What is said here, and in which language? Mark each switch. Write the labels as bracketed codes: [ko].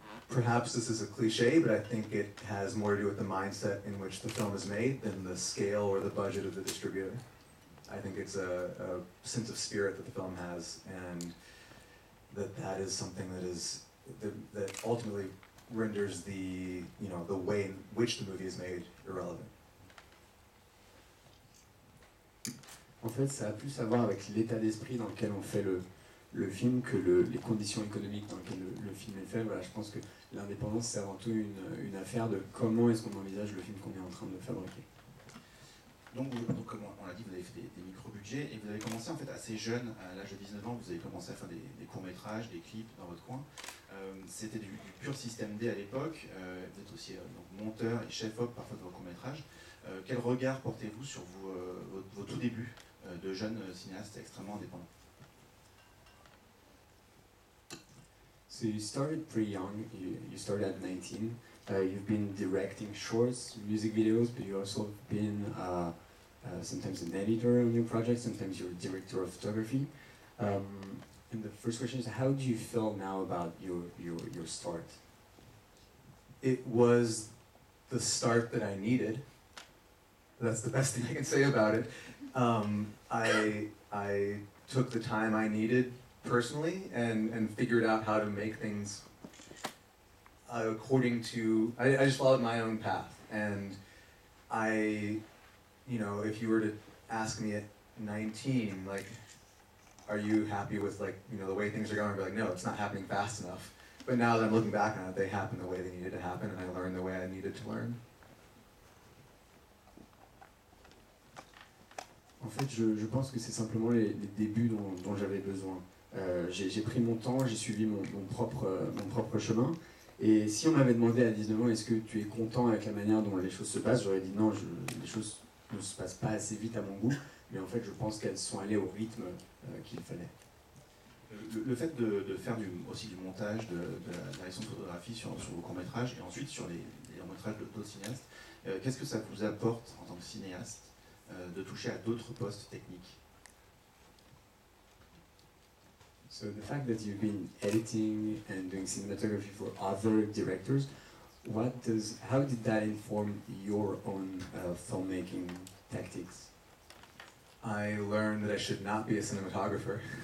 [en] Perhaps this is a cliche, but I think it has more to do with the mindset in which the film is made than the scale or the budget of the distributor. I think it's a sense of spirit that the film has, and that is something that ultimately renders the way in which the movie is made irrelevant. [fr] En fait, ça a plus à voir avec l'état d'esprit dans lequel on fait le film que les conditions économiques dans lesquelles le film est fait. Voilà, je pense que l'indépendance c'est avant tout une affaire de comment est-ce qu'on envisage le film qu'on est en train de fabriquer. Donc comme on l'a dit, vous avez fait des micro-budgets et vous avez commencé en fait assez jeune, à l'âge de 19 ans, vous avez commencé à faire des courts-métrages, des clips dans votre coin. C'était du pur système D à l'époque, vous êtes aussi donc, monteur et chef-op parfois de vos courts-métrages. Quel regard portez-vous sur vos tout débuts de jeune cinéaste extrêmement indépendant? [en] So you started pretty young, you started at 19. You've been directing shorts, music videos, but you've also been sometimes an editor on your project, sometimes you're a director of photography. And the first question is, how do you feel now about your start? It was the start that I needed. That's the best thing I can say about it. I took the time I needed personally and figured out how to make things according to, I just followed my own path. And I, you know, if you were to ask me at 19, like, are you happy with, like, you know, the way things are going? I'd be like, no, it's not happening fast enough. But now that I'm looking back on it, they happen the way they needed to happen, and I learned the way I needed to learn. [fr] En fait, je pense que c'est simplement les débuts dont j'avais besoin. J'ai pris mon temps, j'ai suivi mon propre chemin. Et si on m'avait demandé à 19 ans, est-ce que tu es content avec la manière dont les choses se passent, j'aurais dit non, les choses ne se passent pas assez vite à mon goût. Mais en fait, je pense qu'elles sont allées au rythme qu'il fallait. Le fait de faire aussi du montage de la récente photographie sur vos courts-métrages et ensuite sur les longs-métrages d'autres cinéastes, qu'est-ce que ça vous apporte en tant que cinéaste de toucher à d'autres postes techniques? [en] So the fact that you've been editing and doing cinematography for other directors, how did that inform your own filmmaking tactics? I learned that I should not be a cinematographer.